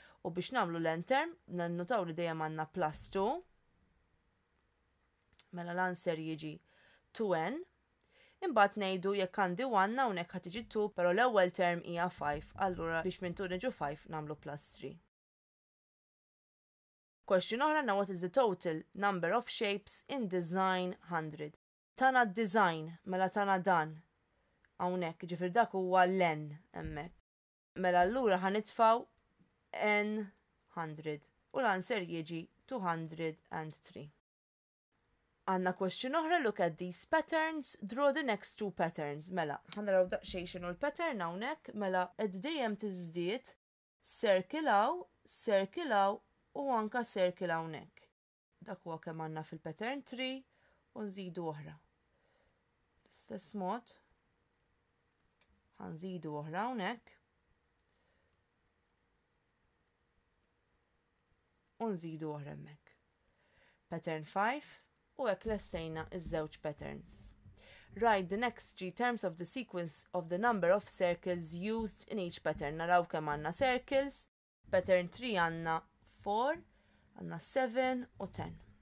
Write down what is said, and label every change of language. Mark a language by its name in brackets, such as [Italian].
[Maltese] U biex nagħmlu l-n term, nannotaw li dejjem għandna plus 2. Mela l-answer jiġi 2n. Imbagħad ngħidu jekk għandi 1 hawnhekk ħad tiġi 2, però l-ewwel term hija 5, allura biex minn tul niġu 5 nagħmlu plus 3. Question oħra na [English] what is the total number of shapes in design 100? [Maltese] Tana design, mela tana dan. Hawnhekk, ġifier dak huwa l-n hemmhekk. Mela allura ħanitfgħu n100 u l-answer jiġi 203. Għandna question oħra, [English] look at these patterns, draw the next two patterns. [Maltese] Mela, ħanaraw daqsxejn xinu l-pattern hawnhekk, mela qed dejjem tiżdied serkilaw, serkilaw u anka serkil hawnhekk. Dak huwa kemm għandna fil-pattern 3 u nżidu oħra. Stess mod ħanżidu oħra hawnhekk u nżidu oħra hemmhekk. Pattern 5. U hekk lestejna ż-żewġ patterns. [English] Write the next three terms of the sequence of the number of circles used in each pattern. [Maltese] Naraw kemm għandna circles. Pattern 3 għandna 4, għandna 7 u 10.